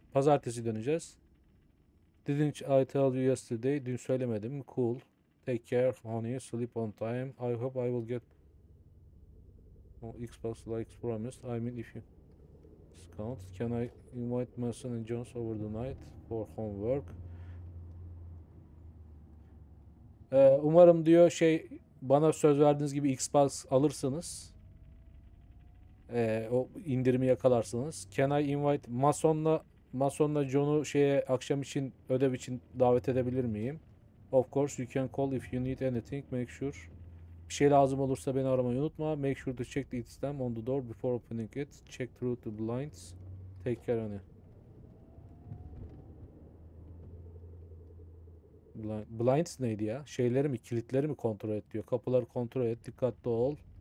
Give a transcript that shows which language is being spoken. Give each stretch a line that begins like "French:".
Turkish: Pazartesi döneceğiz.
English: Didn't I tell you yesterday?
Turkish: Dün söylemedim.
English: Cool. Take care honey. Sleep on time. I hope I will get Xbox like promised. I mean if you discount. Can I invite Mason and Jones over the night for homework?
Turkish: Umarım diyor şey, bana söz verdiğiniz gibi Xbox alırsınız. O indirimi yakalarsınız.
English: Can I invite
Turkish: Mason'la John'u şeye akşam için ödev için davet edebilir miyim?
English: Of course you can call if you need anything. Make sure
Turkish: bir şey lazım olursa beni aramayı unutma.
English: Make sure to check the item on the door before opening it. Check through the blinds. Take care honey.
Turkish: Blinds neydi ya? Şeyleri mi, kilitleri mi kontrol et diyor. Kapıları kontrol et, dikkatli ol.